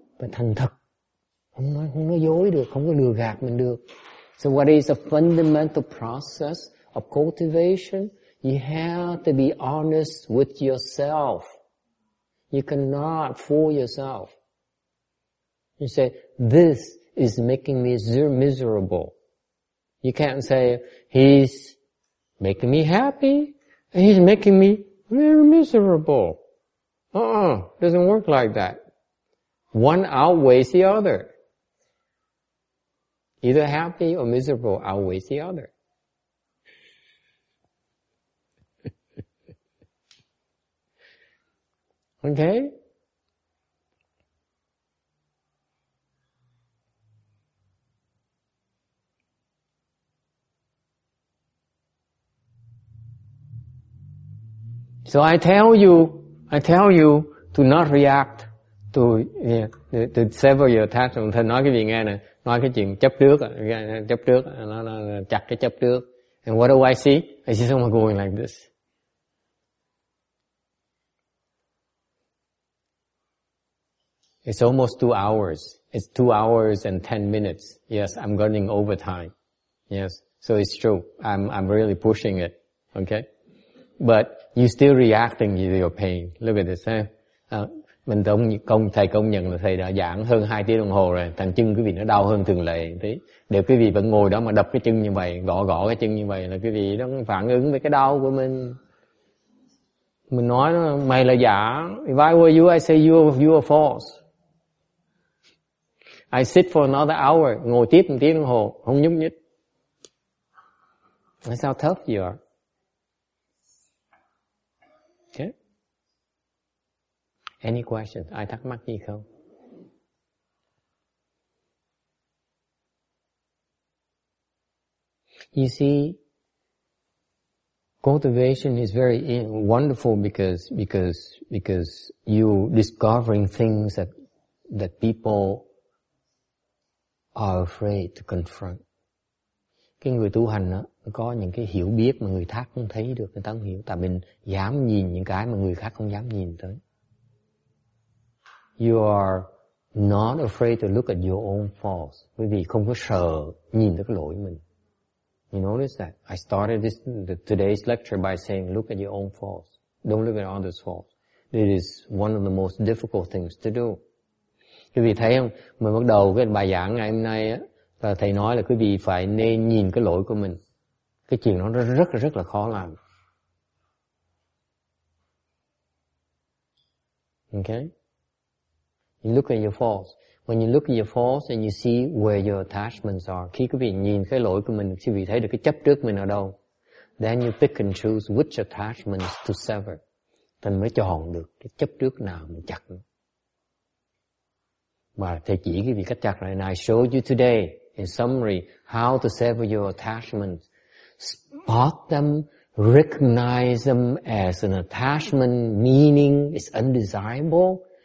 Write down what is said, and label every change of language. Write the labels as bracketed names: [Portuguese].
[Vietnamese] Phải thành thật, không nói dối được, không có lừa gạt mình được. [English] So what is the fundamental process of cultivation? You have to be honest with yourself. You cannot fool yourself. You say, this is making me miserable. You can't say, he's making me happy, and he's making me very miserable. Doesn't work like that. One outweighs the other. Either happy or miserable outweighs the other. Okay? So I tell you to not react to sever your attachment. [Vietnamese] Thầy nói cái gì nghe nè, nói cái chuyện chấp trước, nó chặt cái chấp trước. [English] And what do I see? I see someone going like this. It's almost 2 hours. It's 2 hours and 10 minutes. Yes, I'm running over time. Yes, so it's true. I'm really pushing it. Okay? But you still reacting to your pain. Look at this. [Vietnamese] Mình đồng công thầy công nhận là thầy đã giảng hơn 2 tiếng đồng hồ rồi. Thằng chân quý vị nó đau hơn thường lệ tí. Nếu quý vị vẫn ngồi đó mà đập cái chân như vậy, gõ cái chân như vậy là quý vị nó phản ứng với cái đau của mình. Mình nói nó, mày là giả. [English] If I were you, I say you are false. I sit for another hour, [Vietnamese] ngồi tiếp 1 tiếng đồng hồ, không nhúc nhích. [English] That's how tough you are. Any questions? [Vietnamese] Ai thắc mắc gì không? [English] You see, cultivation is very wonderful because you discovering things that people are afraid to confront. [Vietnamese] Cái người tu hành đó, có những cái hiểu biết mà người khác không thấy được, người ta không hiểu. Tại mình dám nhìn những cái mà người khác không dám nhìn tới. [English] You are not afraid to look at your own faults. [Vietnamese] Quý vị không có sợ nhìn được cái lỗi mình. [English] You notice that? I started today's lecture by saying, look at your own faults. Don't look at others' faults. It is one of the most difficult things to do. [Vietnamese] Quý vị thấy không? Mình bắt đầu cái bài giảng ngày hôm nay á, là thầy nói là quý vị phải nên nhìn cái lỗi của mình. Cái chuyện đó rất rất là khó làm. [English] Okay? You look at your faults. When you look at your faults and you see where your attachments are, [Vietnamese] khi quý vị nhìn cái lỗi của mình, quý vị thấy được cái chấp trước mình ở đâu, [English] then you pick and choose which attachments to sever. [Vietnamese] Thì mới chọn được cái chấp trước nào mình chặt. Và thầy chỉ quý vị cách chặt này. [English] And I show you today, in summary, how to sever your attachments. Spot them, recognize them as an attachment, meaning it's undesirable,